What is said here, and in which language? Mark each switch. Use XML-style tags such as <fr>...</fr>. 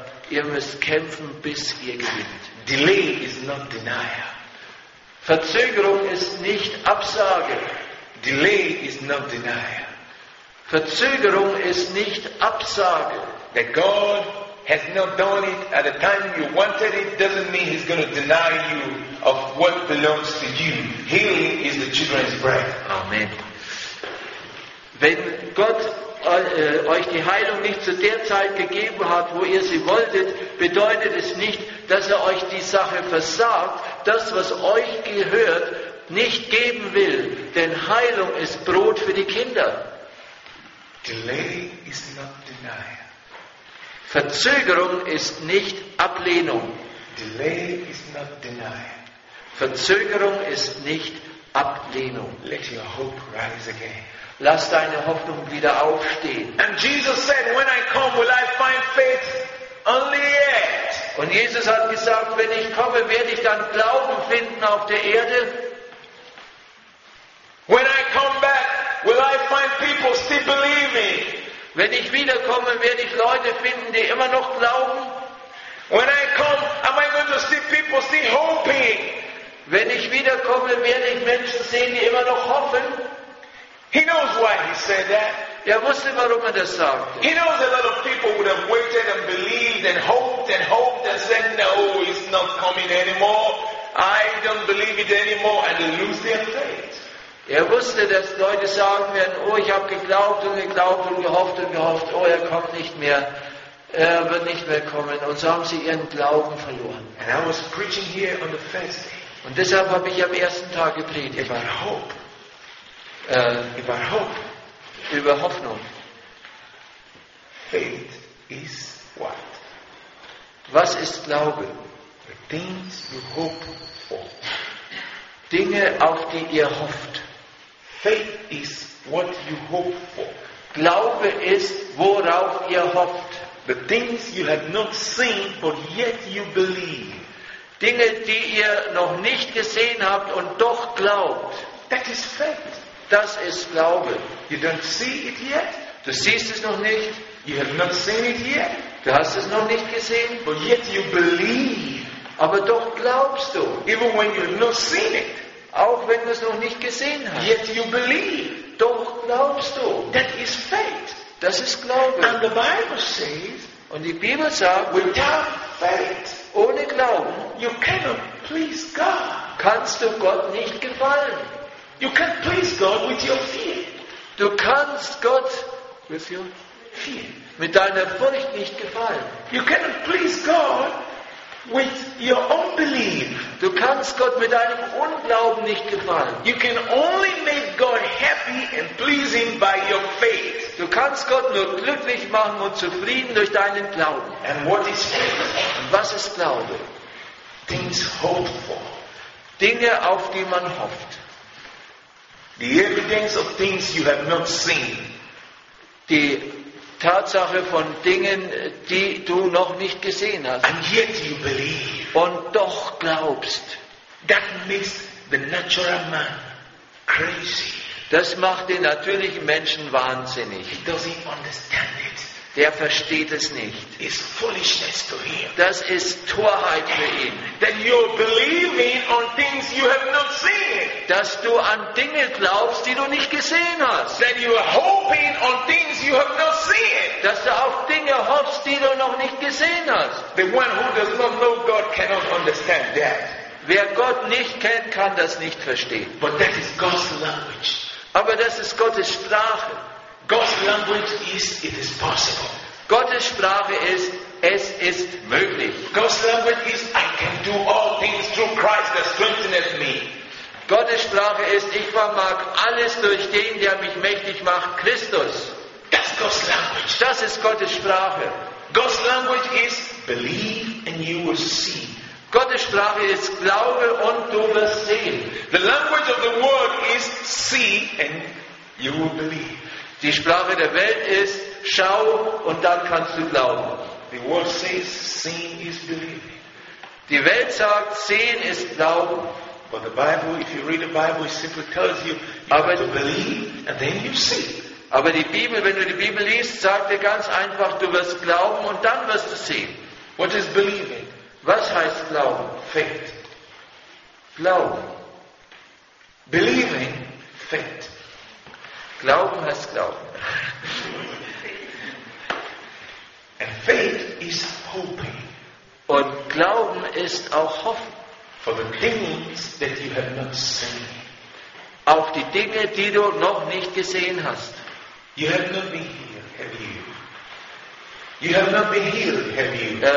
<de>Ihr müsst kämpfen, bis ihr gewinnt.</de> <en>Delay is not denial.</en> <de>Verzögerung ist nicht Absage.</de> <en>Delay is not denial.</en> <de>Verzögerung ist nicht Absage.</de> <en>That God has not done it at the time you wanted it doesn't mean he's going to deny you of what belongs to you. Healing is the children's bread. Amen.</en> <de>Wenn Gott euch die Heilung nicht zu der Zeit gegeben hat, wo ihr sie wolltet, bedeutet es nicht, dass er euch die Sache versagt, das, was euch gehört, nicht geben will. Denn Heilung ist Brot für die Kinder.</de> <en>Delay is not denial.</en> <de>Verzögerung ist nicht Ablehnung.</de> <en>Delay is not denial.</en> <de>Verzögerung ist nicht Ablehnung.</de> <en>Let your hope rise again.</en> <de>Lass deine Hoffnung wieder aufstehen.</de> <en>And Jesus said, when I come, will I find faith only yet?</en> <de>Und Jesus hat gesagt, wenn ich komme, werde ich dann Glauben finden auf der Erde?</de> <en>When I come back, will I find people still believing?</en> <de>Wenn ich wiederkomme, werde ich Leute finden, die immer noch glauben.</de> <en>When I come, am I going to see people still hoping?</en> <de>Wenn ich wiederkomme, werde ich Menschen sehen, die immer noch hoffen.</de> <en>He knows why he said that.</en> <de>Er wusste, warum er das sagte.</de> <en>He knows a lot of people would have waited and believed and hoped and said, no, it's not coming anymore. I don't believe it anymore, and they lose their faith.</en> <de>Er wusste, dass Leute sagen werden, oh, ich habe geglaubt und geglaubt und gehofft, oh, er kommt nicht mehr, er wird nicht mehr kommen. Und so haben sie ihren Glauben verloren.</de> <en>And I was preaching here on the first day.</en> <de>Und deshalb habe ich am ersten Tag gepredigt.</de> <en>About hope. About hope.</en> <de>Über Hoffnung.</de> <en>Faith is what?</en> <de>Was ist Glaube?</de> <en>The things you hope for.</en> <de>Dinge, auf die ihr hofft.</de> <en>Faith is what you hope for.</en> <de>Glaube ist, worauf ihr hofft.</de> <en>The things you have not seen, but yet you believe.</en> <de>Dinge, die ihr noch nicht gesehen habt und doch glaubt.</de> <en>That is faith.</en> <de>Das ist Glaube.</de> <en>You don't see it yet.</en> <de>Du siehst es noch nicht.</de> <en>You have not seen it yet.</en> <de>Du hast es noch nicht gesehen.</de> <en>But yet you believe.</en> <de>Aber doch glaubst du.</de> <en>Even when you have not seen it.</en> <de>Auch wenn du es noch nicht gesehen hast.</de> <en>Yet you believe.</en> <de>Doch glaubst du.</de> <en>That is faith.</en> <de>Das ist Glaube.</de> <en>And the Bible says.</en> <de>Und die Bibel sagt.</de> <en>Without faith.</en> <de>Ohne Glauben.</de> <en>You cannot please God.</en> <de>Kannst du Gott nicht gefallen.</de> <en>You can't please God with your fear.</en> <de>Du kannst Gott</de> <en>with your fear.</en> <de>Mit deiner Furcht nicht gefallen.</de> <en>You cannot please God with your unbelief.</en> <de>Du kannst Gott mit deinem Unglauben nicht gefallen.</de> <en>You can only make God happy and please him by your faith.</en> <de>Du kannst Gott nur glücklich machen und zufrieden durch deinen Glauben.</de> <en>And what is faith?</en> <de>Was ist Glaube?</de> <en>Things hoped for.</en> <de>Dinge, auf die man hofft.</de> <en>The evidence of things you have not seen.</en> <de>Die Tatsache von Dingen, die du noch nicht gesehen hast.</de> <en>And yet you believe.</en> <de>Und doch glaubst.</de> <en>That makes the natural man crazy.</en> <de>Das macht den natürlichen Menschen wahnsinnig.</de> <en>He doesn't understand it.</en> <de>Der versteht es nicht.</de> <en>It's foolishness to him.</en> <de>Das ist Torheit für ihn.</de> <en>That you're believing on things you have not seen.</en> <de>Dass du an Dinge glaubst, die du nicht gesehen hast.</de> <en>That you're hoping on things you have not seen.</en> <de>Dass du auf Dinge hoffst, die du noch nicht gesehen hast.</de> <en>The one who does not know God cannot understand that.</en> <de>Wer Gott nicht kennt, kann das nicht verstehen.</de> <en>But that is God's language.</en> <de>Aber das ist Gottes Sprache.</de> <en>God's language is it is possible.</en> <de>Gottes Sprache ist es ist möglich.</de> <en>God's language is I can do all things through Christ that strengthens me.</en> <de>Gottes Sprache ist ich vermag alles durch den der mich mächtig macht Christus.</de> <en>That's God's language.</en> <de>Das ist Gottes Sprache.</de> <en>God's language is believe and you will see.</en> <de>Gottes Sprache ist glaube und du wirst sehen.</de> <en>The language of the world is see and you will believe.</en> <de>Die Sprache der Welt ist, schau und dann kannst du glauben.</de> <en>The world says, seeing is believing.</en> <de>Die Welt sagt, sehen ist glauben.</de> <en>But the Bible, if you read the Bible, it simply tells you, you have to believe and then you see.</en> <de>Aber die Bibel, wenn du die Bibel liest, sagt dir ganz einfach, du wirst glauben und dann wirst du sehen.</de> <en>What is believing?</en> <de>Was heißt glauben?</de> <en>Faith.</en> <de>Glauben.</de> <en>Believing. Faith.</en> <de>Glauben heißt Glauben.</de> <en>And faith is hoping.</en> <de>Und Glauben ist auch Hoffen.</de> <en>For the things that you have not seen.</en> <de>Auf die Dinge, die du noch nicht gesehen hast.</de> <en>You have not been healed, have you? You have not been healed, have you?</en>